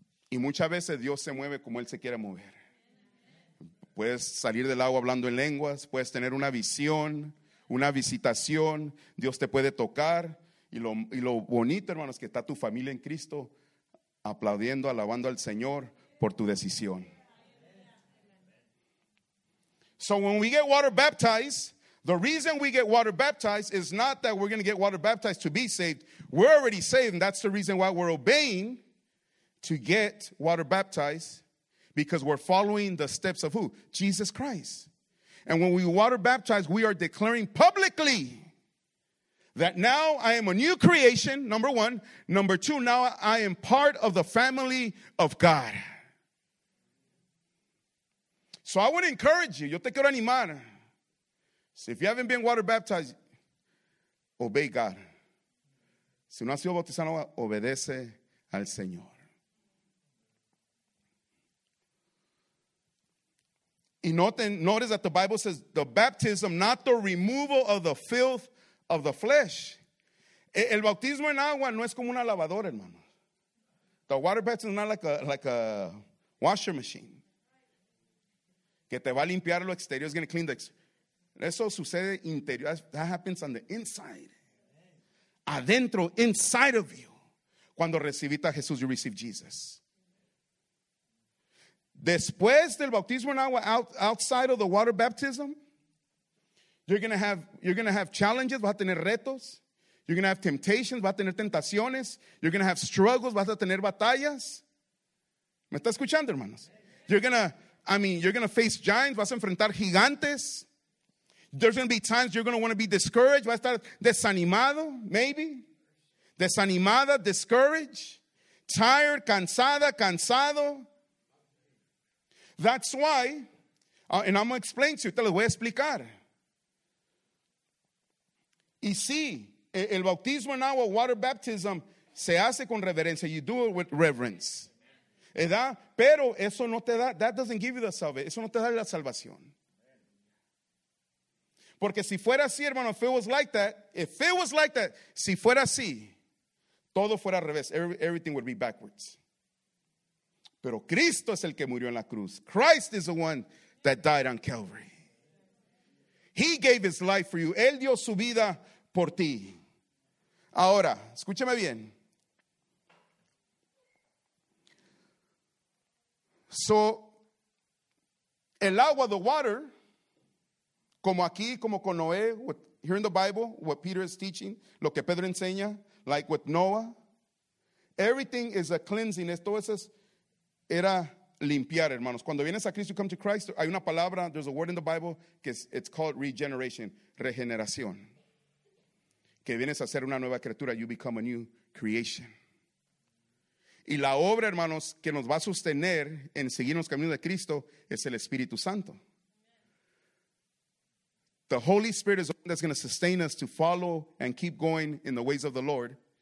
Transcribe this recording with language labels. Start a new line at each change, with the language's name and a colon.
Spanish: Y muchas veces Dios se mueve como Él se quiere mover. Puedes salir del agua hablando en lenguas, puedes tener una visión, una visitación, Dios te puede tocar. Y lo bonito, hermanos, que está tu familia en Cristo aplaudiendo, alabando al Señor por tu decisión.
English: So when we get water baptized, the reason we get water baptized is not that we're going to get water baptized to be saved. We're already saved, and that's the reason why we're obeying to get water baptized, because we're following the steps of who? Jesus Christ. And when we water baptize, we are declaring publicly that now I am a new creation, number one. Number two, now I am part of the family of God. So I want to encourage you.
Spanish: Yo te quiero animar.
English: So if you haven't been water baptized, obey God.
Spanish: Si no has sido bautizado, obedece al Señor.
English: Y notice that the Bible says the baptism, not the removal of the filth of the flesh.
Spanish: El bautismo en agua no es como una lavadora, hermano.
English: The water baptism is not like a washer machine.
Spanish: Que te va a limpiar lo exterior.
English: It's going to clean the exterior.
Spanish: Eso sucede interior.
English: That happens on the inside.
Spanish: Adentro,
English: inside of you.
Spanish: Cuando recibiste a Jesús,
English: you receive Jesus.
Spanish: Después del bautismo en agua,
English: outside of the water baptism, You're going to have challenges,
Spanish: vas a tener retos.
English: You're going to have temptations,
Spanish: vas a tener tentaciones.
English: You're going to have struggles,
Spanish: vas a tener batallas. ¿Me está escuchando, hermanos?
English: You're going to face giants,
Spanish: vas a enfrentar gigantes.
English: There's going to be times you're going to want to be discouraged,
Spanish: vas a estar desanimado,
English: maybe.
Spanish: Desanimada,
English: discouraged, tired,
Spanish: cansada, cansado.
English: That's why, and I'm going to explain to you,
Spanish: te lo voy a explicar. Y sí, el bautismo en agua,
English: water baptism,
Spanish: se hace con reverencia.
English: You do it with reverence. ¿Edad?
Spanish: Pero eso no te da,
English: that doesn't give you the salvation.
Spanish: Eso no te da la salvación. Porque si fuera así, hermano,
English: if it was like that,
Spanish: si fuera así, todo fuera al revés.
English: Everything would be backwards.
Spanish: Pero Cristo es el que murió en la cruz.
English: Christ is the one that died on Calvary. He gave his life for you.
Spanish: Él dio su vida por ti. Ahora, escúchame bien.
English: So,
Spanish: el agua,
English: the water,
Spanish: como aquí, como con Noé,
English: here in the Bible, what Peter is teaching,
Spanish: lo que Pedro enseña,
English: like with Noah, everything is a cleansing.
Spanish: Esto es, era limpiar, hermanos. Cuando vienes a Cristo,
English: you come to Christ,
Spanish: hay una palabra,
English: there's a word in the Bible,
Spanish: que
English: it's called regeneration,
Spanish: regeneración. Que vienes a ser una nueva criatura,
English: you become a new creation.
Spanish: Y la obra, hermanos, que nos va a sostener en seguir los caminos de Cristo es el Espíritu Santo.
English: The Holy Spirit is the one that's going to sustain us to follow and keep going in the ways of the Lord.